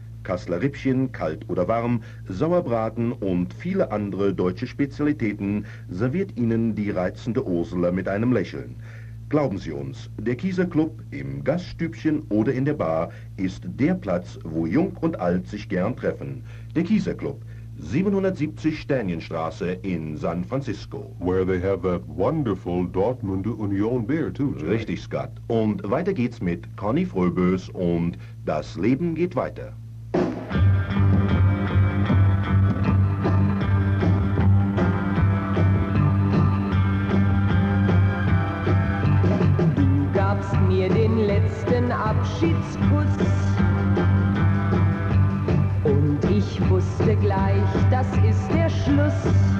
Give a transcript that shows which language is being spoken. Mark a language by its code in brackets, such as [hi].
[de] Kasseler Rippchen, kalt oder warm, Sauerbraten und viele andere deutsche Spezialitäten serviert Ihnen die reizende Ursula mit einem Lächeln. Glauben Sie uns, der Kieser Club im Gaststübchen oder in der Bar ist der Platz, wo Jung und Alt sich gern treffen. Der Kieser Club, 770 Sternienstraße in San Francisco. [en] Where they have that wonderful Dortmunder Union beer too, [de] Jack. Richtig, Scott. Und weiter geht's mit Conny Fröbös und Das Leben geht weiter. Du gabst mir den letzten Abschiedskuss und ich wusste gleich, das ist der Schluss.